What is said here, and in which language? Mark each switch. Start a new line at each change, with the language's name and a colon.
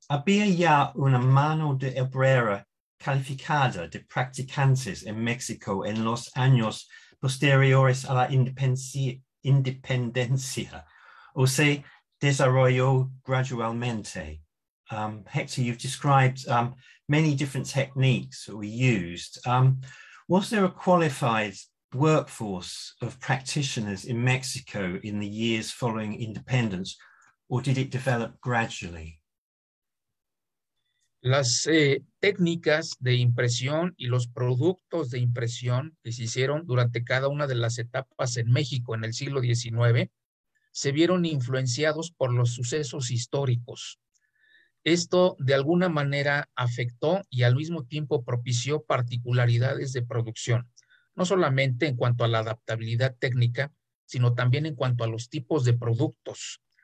Spanish: ¿Había ya una mano de obrera calificada de practicantes en México en los años posteriores a la independencia? ¿O se desarrolló gradualmente?
English: Hector, you've described many different techniques that were used. Was there a qualified workforce of practitioners in Mexico in the years following independence, or did it develop gradually?
Spanish: Las técnicas de impresión y los productos de impresión que se hicieron durante cada una de las etapas en México en el siglo XIX se vieron influenciados por los sucesos históricos. Esto de alguna manera afectó y al mismo tiempo propició particularidades de producción, no solamente en cuanto a la adaptabilidad técnica, sino también en cuanto a los tipos de productos.